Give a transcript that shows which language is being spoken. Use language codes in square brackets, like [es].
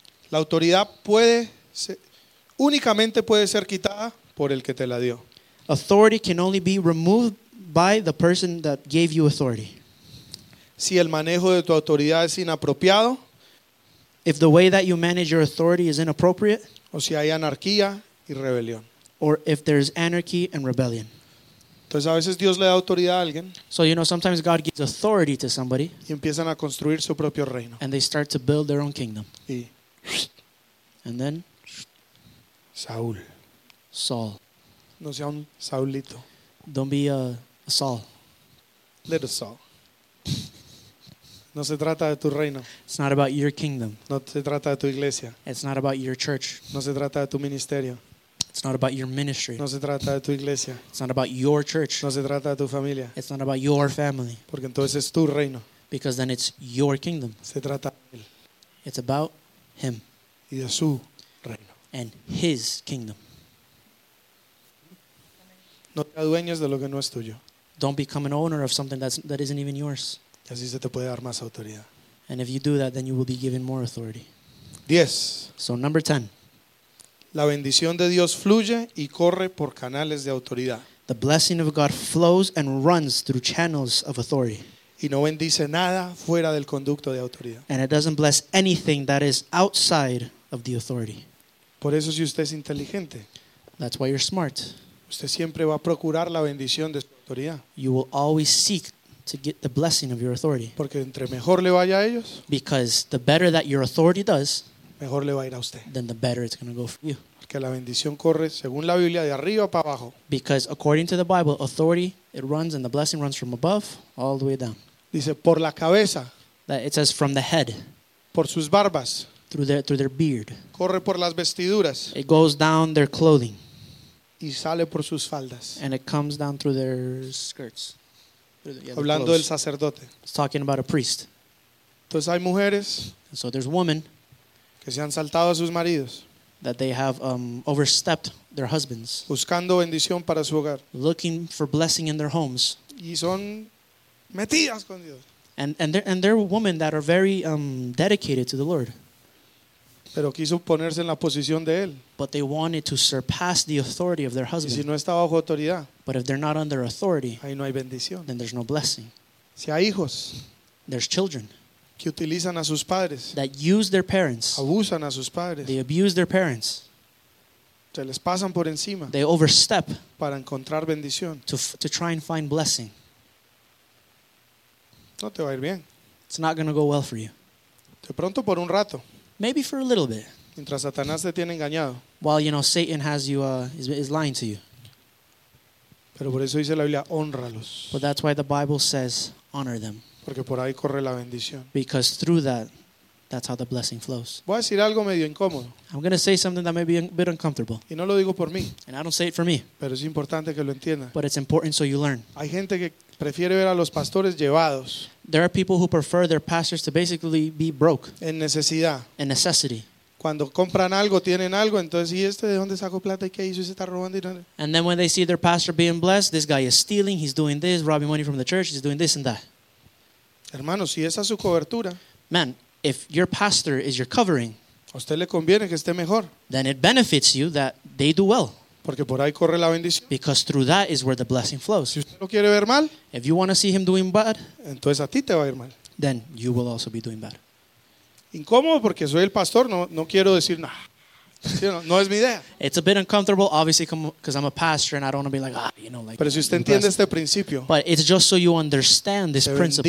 [es] La autoridad puede ser, únicamente puede ser quitada por el que te la dio. [en] Authority can only be removed by the person that gave you authority. [es] Si el manejo de tu autoridad es inapropiado. [en] If the way that you manage your authority is inappropriate. [es] O si hay anarquía y rebelión. [en] Or if there's anarchy and rebellion. [es] Entonces a veces Dios le da autoridad a alguien. [en] So you know, sometimes God gives authority to somebody. [es] Y empiezan a construir su propio reino. [en] And they start to build their own kingdom. [es] Y, [en] and then. [es] Saúl. [en] Saul. [es] No sea un Saulito. [en] Don't be a Saul. Little Saul. [es] No se trata de tu reino. [en] It's not about your kingdom. [es] No se trata de tu iglesia. [en] It's not about your church. [es] No se trata de tu ministerio. [en] It's not about your ministry. [es] No se trata de tu iglesia. [en] It's not about your church. [es] No se trata de tu familia. [en] It's not about your family. [es] Porque entonces es tu reino. [en] Because then it's your kingdom. [es] Se trata de él. [en] It's about him. [es] Y de su reino. [en] And his kingdom. [es] No te adueñes de lo que no es tuyo. [en] Don't become an owner of something that isn't even yours. [es] Y así se te puede dar más autoridad. [en] And if you do that, then you will be given more authority. [es] 10. [en] So number 10. [es] La bendición de Dios fluye y corre por canales de autoridad. [en] The blessing of God flows and runs through channels of authority. [es] Y no bendice nada fuera del conducto de autoridad. [en] And it doesn't bless anything that is outside of the authority. [es] Por eso si usted es inteligente. [en] That's why you're smart. [es] Usted siempre va a procurar la bendición de su autoridad. [en] You will always seek to get the blessing of your authority. [es] Porque entre mejor le vaya a ellos. [en] Because the better that your authority does. [es] Mejor le va a ir a usted. [en] Then the better it's going to go for you. [es] Porque la bendición corre según la Biblia de arriba para abajo. [en] Because according to the Bible, authority, it runs and the blessing runs from above all the way down. [es] Dice por la cabeza. [en] That it says from the head. [es] Por sus barbas. [en] Through their beard. [es] Corre por las vestiduras. [en] It goes down their clothing. [es] Y sale por sus faldas. [en] And it comes down through their skirts. [es] Hablando del sacerdote. [en] It's talking about a priest. [es] Entonces hay mujeres. [en] And so there's women. [es] Que se han saltado a sus maridos. [en] That they have overstepped their husbands. [es] Buscando bendición para su hogar. [en] Looking for blessing in their homes. [es] Y son metidas con Dios. [en] And they're women that are very dedicated to the Lord. [es] Pero quiso ponerse en la posición de él. [en] But they wanted to surpass the authority of their husband. [es] Y si no está bajo autoridad. [en] But if they're not under authority. [es] Ahí no hay bendición. [en] Then there's no blessing. [es] Si hay hijos. [en] There's children. [es] Que utilizan a sus padres. [en] That use their parents. [es] Abusan a sus padres. [en] They abuse their parents. [es] Se les pasan por encima. [en] They overstep. [es] Para encontrar bendición. [en] To try and find blessing. [es] No te va a ir bien. [en] It's not going to go well for you. [es] De pronto por un rato. [en] Maybe for a little bit. [es] Mientras Satanás te tiene engañado. [en] While you know Satan has you is lying to you. [es] Pero por eso dice la Biblia, honralos. [en] But that's why the Bible says honor them. [es] Porque por ahí corre la bendición. [en] Because through that's how the blessing flows. [es] Voy a decir algo medio incómodo. [en] I'm going to say something that may be a bit uncomfortable. [es] Y no lo digo por mí. [en] And I don't say it for me. [es] Pero es importante que lo entiendan. [en] But it's important so you learn. [es] Hay gente que prefiere ver a los pastores llevados. [en] There are people who prefer their pastors to basically be broke. [es] En necesidad. [en] In necessity. [es] Cuando compran algo, tienen algo, entonces ¿y este de dónde sacó plata y qué hizo? Y se está robando dinero. [en] And then when they see their pastor being blessed, this guy is stealing, he's doing this, robbing money from the church, he's doing this and that. [es] Hermano, si esa es su cobertura. [en] Man, if your pastor is your covering, [es] a usted le conviene que esté mejor. [en] Then it benefits you that they do well. [es] Porque por ahí corre la bendición. [en] Because through that is where the blessing flows. [es] Si usted lo quiere ver mal, [en] if you want to see him doing bad, [es] entonces a ti te va a ir mal. [en] Then you will also be doing bad. [es] Incómodo porque soy el pastor, no quiero decir nada. No es mi idea. [en] It's a bit uncomfortable, obviously, because I'm a pastor and I don't want to be like, you know, like. [es] Pero si usted entiende este principio, [en] but it's just so you understand this principle.